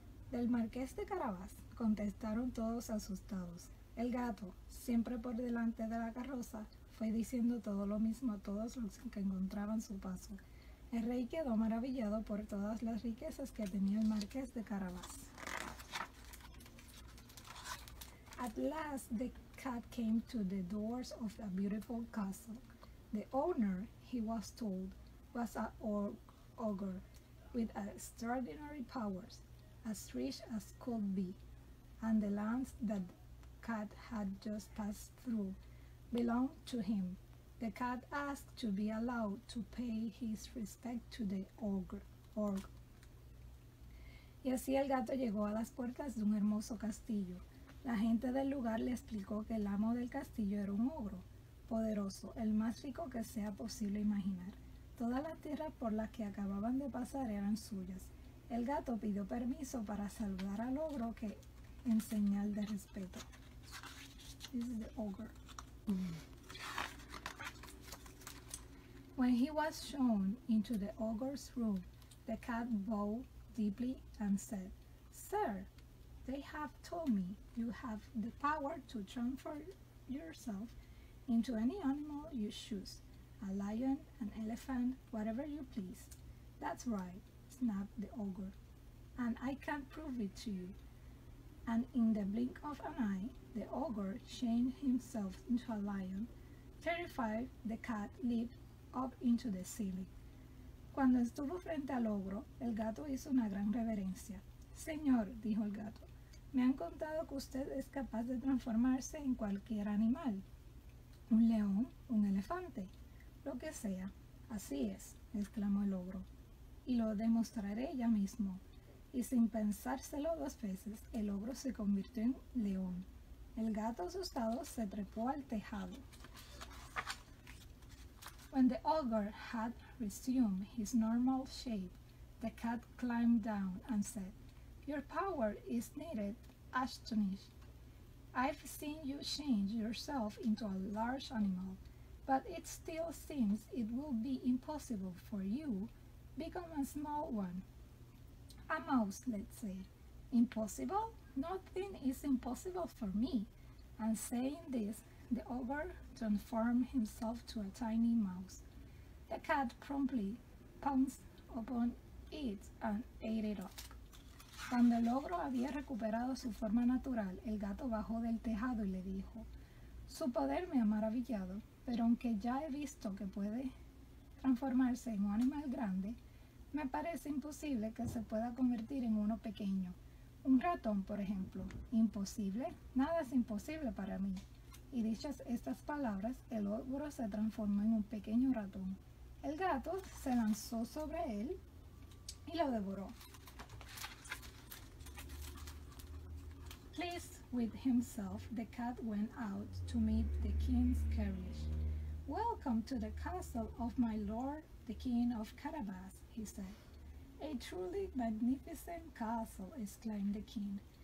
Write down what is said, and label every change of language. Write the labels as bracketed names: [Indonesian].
[Spanish] "Del marqués de Carabas", contestaron todos asustados. El gato, siempre por delante de la carroza, fue diciendo todo lo mismo a todos los que encontraban su paso. El rey quedó maravillado por todas las riquezas que tenía el marqués de Carabas. [English] At last, the cat came to the doors of a beautiful castle. The owner, he was told, was an ogre with extraordinary powers, as rich as could be. And the lands that the cat had just passed through belonged to him. The cat asked to be allowed to pay his respect to the ogre. [Spanish] Y así el gato llegó a las puertas de un hermoso castillo. La gente del lugar le explicó que el amo del castillo era un ogro poderoso, el más rico que sea posible imaginar. Todas las tierras por las que acababan de pasar eran suyas. El gato pidió permiso para saludar al ogro que en señal de respeto. [English] This is the ogre. When he was shown into the ogre's room, the cat bowed deeply and said, "Sir, they have told me you have the power to transfer yourself into any animal you choose, a lion, an elephant, whatever you please." "That's right," snapped the ogre, "and I can prove it to you." And in the blink of an eye, the ogre changed himself into a lion. Terrified, the cat leaped up into the ceiling. [Spanish] Cuando estuvo frente al ogro, el gato hizo una gran reverencia. "Señor," dijo el gato, "me han contado que usted es capaz de transformarse en cualquier animal. Un león, un elefante, lo que sea." "Así es," exclamó el ogro. "Y lo demostraré ya mismo." Y sin pensárselo dos veces, el ogro se convirtió en león. El gato, asustado, se trepó al tejado. [English] When the ogre had resumed his normal shape, the cat climbed down and said, "Your power is needed, astonished. I've seen you change yourself into a large animal, but it still seems it will be impossible for you to become a small one. A mouse, let's say." "Impossible? Nothing is impossible for me." And saying this, the ogre transformed himself to a tiny mouse. The cat promptly pounced upon it and ate it up. [Spanish] Cuando el ogro había recuperado su forma natural, el gato bajó del tejado y le dijo, "Su poder me ha maravillado, pero aunque ya he visto que puede transformarse en un animal grande, me parece imposible que se pueda convertir en uno pequeño. Un ratón, por ejemplo. ¿Imposible? Nada es imposible para mí." Y dichas estas palabras, el ogro se transformó en un pequeño ratón. El gato se lanzó sobre él y lo devoró. [English] Pleased with himself, the cat went out to meet the king's carriage. "Welcome to the castle of my lord, the king of Carabas," he said. "A truly magnificent castle," exclaimed the king.